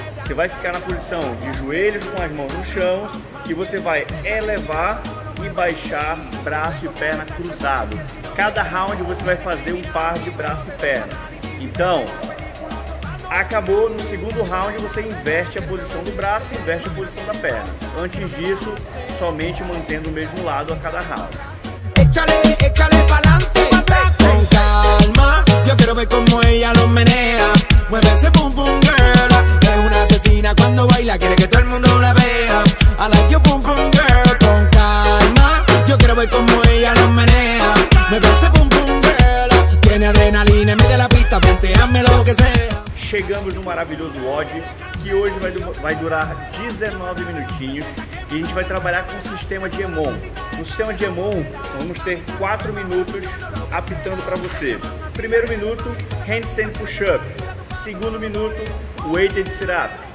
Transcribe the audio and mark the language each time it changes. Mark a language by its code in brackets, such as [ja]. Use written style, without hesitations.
[pt] Você vai ficar na posição de joelhos com as mãos no chão e você vai elevar e baixar braço e perna cruzado. Cada round você vai fazer um par de braço e perna. Então, acabou, no segundo round você inverte a posição do braço e inverte a posição da perna. Antes disso, somente mantendo o mesmo lado a cada round. [es] Échale, échale pa'lante, con calma, yo quiero ver como ella lo menea. Mueve ese boom boom girl, es una asesina cuando baila, quiere que todo el mundo la vea. [en] I like your boom boom girl, [es] con calma, yo quiero ver como ella lo menea. Mueve ese boom boom girl, tiene adrenalina en medio de la pista, penteame lo que sea. [pt] Chegamos no maravilhoso WOD, que hoje vai durar 19 minutinhos e a gente vai trabalhar com o sistema de EMON. No sistema de EMON, vamos ter 4 minutos apitando para você. Primeiro minuto, handstand push-up. Segundo minuto, weighted sit-up.